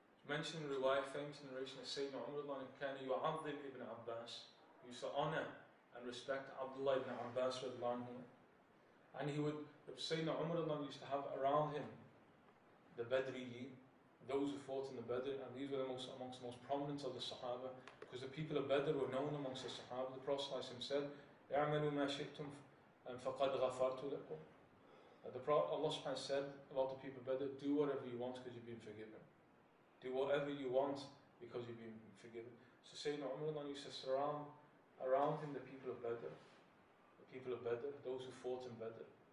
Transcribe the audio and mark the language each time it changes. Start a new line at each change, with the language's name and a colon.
English: Mentioned in the riwayah, famous narration of Sayyidina Umar ibn Kani, Yu'adhim ibn Abbas, he used to honour and respect Abdullah ibn Abbas with Lanhu. And he would, Sayyidina Umar ibn used to have around him the Badriyyin, those who fought in the Badr, and these were amongst the most prominent of the Sahaba, because the people of Badr were known amongst the Sahaba.
Arabic: The Prophet ﷺ said, اعملوا ما شئتم فقد غفرت لكم.
English: Allah ﷻ said about the people of Badr, do whatever you want because you've been forgiven. Do whatever you want because you've been forgiven. So Sayyidina Umar used to surround around him the people of Badr, those who fought in Badr.